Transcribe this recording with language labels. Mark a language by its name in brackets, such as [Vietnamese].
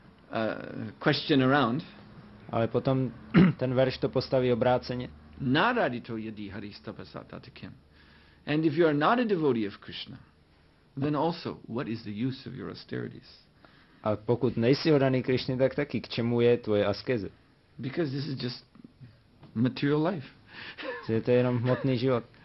[English] But the verse then turns the question around. [Czech] Ale potom ten verš to postaví obráceně. [Sanskrit] Narādito yadi hari tapasā tatakim. [English] And if you are not a devotee of Krishna, then also, what is the use of your austerities? [Czech] A pokud nejsi oddaný Krišně, tak taky k čemu je tvoje askeze? [English] Because this is just material life. [Czech] Je to jenom hmotný život.